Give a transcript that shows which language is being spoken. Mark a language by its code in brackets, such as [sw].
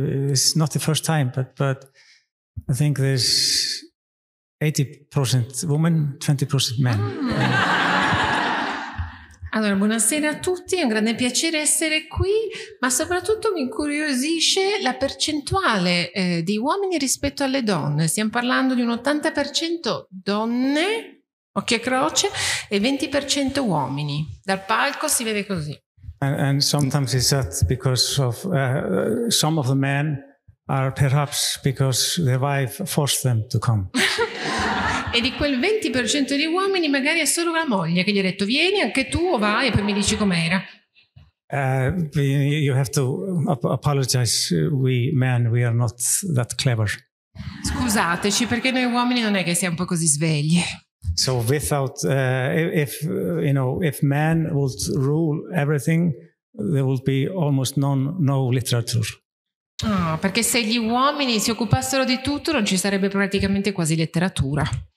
[en] It's not the first time, but I think there's 80% women, 20% men. [it] Allora, buonasera a tutti, è un grande piacere essere qui, ma soprattutto mi incuriosisce la percentuale di uomini rispetto alle donne. Stiamo parlando di un 80% donne, occhio e croce, e 20% uomini. Dal palco si vede così. [en] And sometimes it's that because of some of the men are perhaps because their wife forced them to come. [it] E di quel 20% di uomini, magari è solo la moglie che gli ha detto vieni anche tu o vai e poi mi dici com'era. [en] You have to apologize, we men, we are not that clever. [it] Scusateci, perché noi uomini non è che siamo un po' così svegli. [en] So without, if, you know, if men would rule everything, there would be almost no literature. [it] Oh, perché se gli uomini si occupassero di tutto non ci sarebbe praticamente quasi letteratura.